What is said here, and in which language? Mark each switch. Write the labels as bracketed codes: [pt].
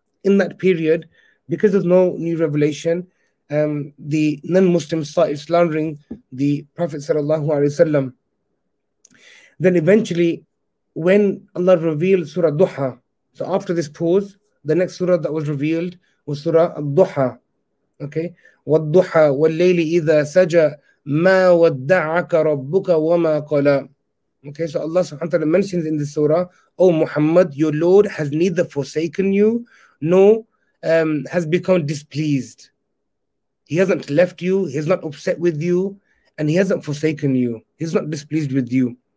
[en] In that period, because there's no new revelation, the non-Muslims started slandering the Prophet sallallahu alaihi wasallam. Then eventually, when Allah revealed Surah Duha, so after this pause, the next surah that was revealed was Surah Al-Duha. [ar] Okay, وَالْضُحَى وَاللَّيْلِ إِذَا سَجَى مَا وَدَّعَكَ رَبُّكَ وَمَا قَلَى. [en] Okay, so Allah subhanahu wa ta'ala mentions in this surah, O Muhammad, your Lord has neither forsaken you nor has become displeased. He hasn't left you, he's not upset with you, and he hasn't forsaken you, he's not displeased with you.